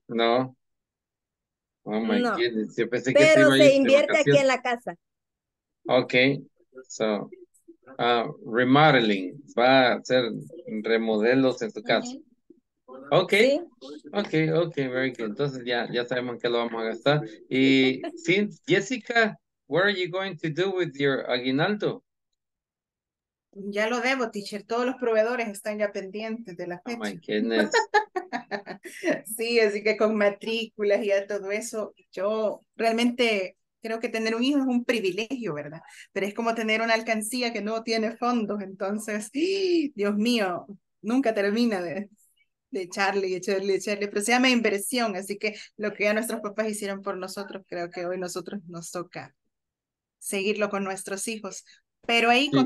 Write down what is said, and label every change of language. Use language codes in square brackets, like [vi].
[en] No. Oh my goodness, [es] yo pensé pero que se invierte aquí en la casa. Ok, [en] so, remodeling, [es] va a hacer remodelos en tu casa. Okay. ¿Sí? Okay, [en] very good. [es] Entonces ya sabemos que lo vamos a gastar. [en] Y since Jessica, what are you going to do with your aguinaldo? [es] Ya lo debo, teacher. Todos los proveedores están ya pendientes de la fecha. [en] Oh my goodness. [es] Sí, así que con matrículas y ya todo eso, yo realmente creo que tener un hijo es un privilegio, ¿verdad? Pero es como tener una alcancía que no tiene fondos, entonces, Dios mío, nunca termina de echarle y echarle y echarle, pero se llama inversión, así que lo que ya nuestros papás hicieron por nosotros, creo que hoy nosotros nos toca seguirlo con nuestros hijos, pero ahí sí.